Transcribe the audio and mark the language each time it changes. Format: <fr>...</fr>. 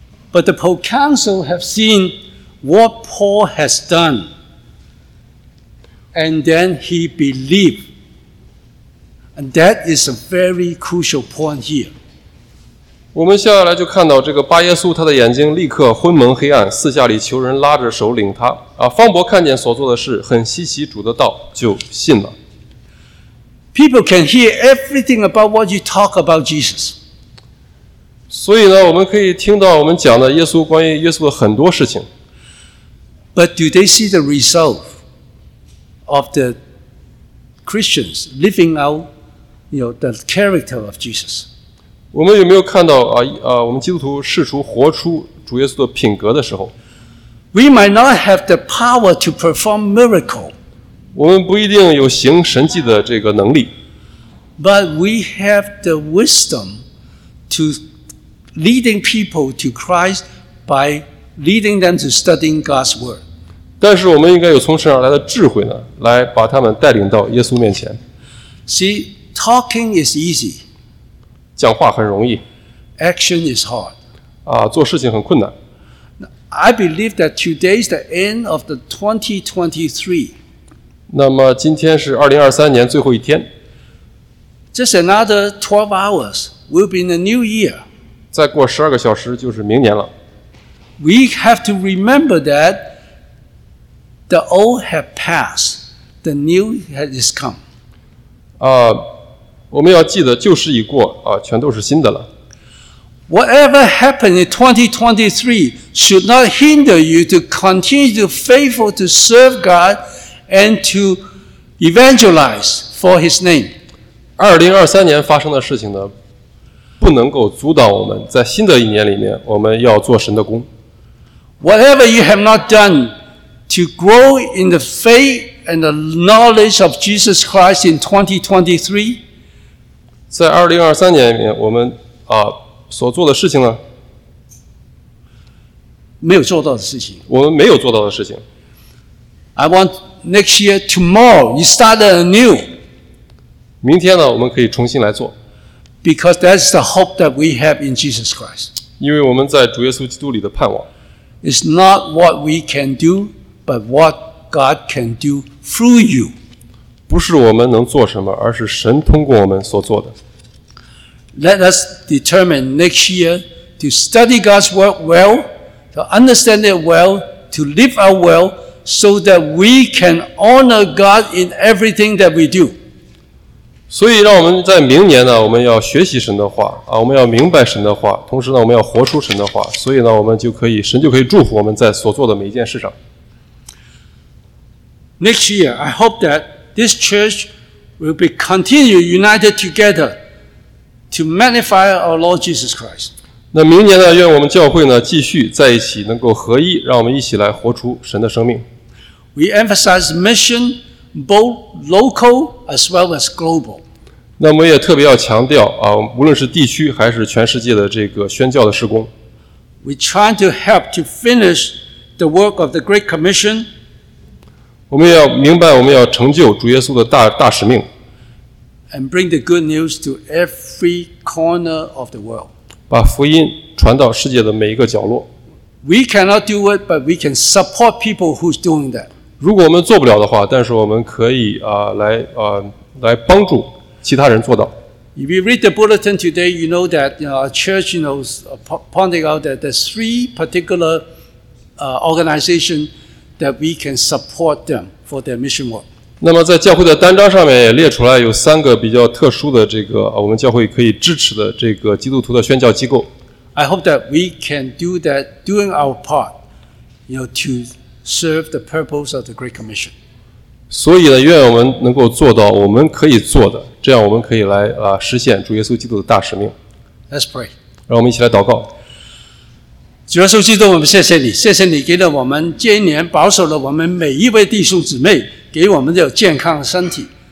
<en>But the proconsul have seen what Paul has done, and then he believed. And that is a very crucial point here.</en> <zh>我们下来就看到这个巴耶稣，他的眼睛立刻昏蒙黑暗，四下里求人拉着手领他。啊，方伯看见所做的事，很稀奇主的道，就信了。</zh> <en>People can hear everything about what you talk about Jesus.</en> <zh>所以呢，我们可以听到我们讲的耶稣，关于耶稣的很多事情。</zh> <en>But do they see the result of the Christians living out, you know, the character of Jesus?</en> <zh>我们有没有看到我们基督徒试图活出主耶稣的品格的时候</zh> <en>？We might not have the power to perform miracle.</en> <zh>我们不一定有行神迹的这个能力。</zh> <en>But we have the wisdom to leading people to Christ by leading them to studying God's word.</en> <zh>但是我们应该有从神而来的智慧呢，来把他们带领到耶稣面前。</zh> <en>See, talking is easy.</en> <zh>讲话很容易</zh> <en>，Action is hard.</en> <zh>啊，做事情很困难。</zh> <en>I believe that today is the end of the 2023.</en> <zh>那么今天是2023年最后一天。</zh> <en>Just another 12 hours will be in the new year.</en> <zh>再过十二个小时就是明年了。</zh> <en>We have to remember that the old has passed, the new has come. 啊。</en> <zh>我们要记得旧事已过、啊、全都是新的了。</zh> <en>Whatever happened in 2023 should not hinder you to continue to faithful to serve God and to evangelize for His name.</en> <zh>2023年发生的事情呢，不能够阻挡我们在新的一年里面，我们要做神的工。</zh> <en>Whatever you have not done to grow in the faith and the knowledge of Jesus Christ in 2023,</en> <zh>在2023年里面，我们啊所做的事情呢，没有做到的事情，我们没有做到的事情。</zh> <en>I want next year tomorrow you start anew.</en> <zh>明天呢，我们可以重新来做。</zh> <en>Because that's the hope that we have in Jesus Christ.</en> <zh>因为我们在主耶稣基督里的盼望。</zh> <en>It's not what we can do, but what God can do through you.</en> <zh>不是我们能做什么，而是神通过我们所做的。</zh> <en>Let us determine next year to study God's word well, to understand it well, to live out well, so that we can honor God in everything that we do.</en> <zh>所以，让我们在明年呢，我们要学习神的话啊，我们要明白神的话，同时呢，我们要活出神的话。所以呢，我们就可以，神就可以祝福我们在所做的每一件事上。</zh> <en>Next year, I hope that. This church will be continue united together to magnify our Lord Jesus Christ.</en> <zh>那明年呢？愿我们教会呢继续在一起，能够合一，让我们一起来活出神的生命。</zh> <en>We emphasize mission both local as well as global.</en> <zh>那我们也特别要强调啊，无论是地区还是全世界的这个宣教的事工。</zh> <en>We try to help to finish the work of the Great Commission.</en> <zh>我们要明白，我们要成就主耶稣的大使命。</zh> <en>And bring the good news to every corner of the world.</en> <zh>把福音传到世界的每一个角落。</zh> <en>We cannot do it, but we can support people who's doing that.</en> <zh>如果我们做不了的话，但是我们可以来帮助其他人做到。</zh> <en>If you read the bulletin today, you know that our church, you know, pointing out that there's three particular organization. That we can support them for their mission work.</en> <zh>那么在教会的单张上面也列出来有三个比较特殊的这个我们教会可以支持的这个基督徒的宣教机构。</zh> <en>I hope that we can do that doing our part, you know, to serve the purpose of the Great Commission.</en> <zh>所以呢，愿我们能够做到我们可以做的，这样我们可以来实现主耶稣基督的大使命。</zh> <en>Let's pray.</en> <zh>让我们一起来祷告。主耶稣基督，我们谢谢你，谢谢你给了我们今年保守了我们每一位弟兄姊妹，给我们的健康的身体。</zh>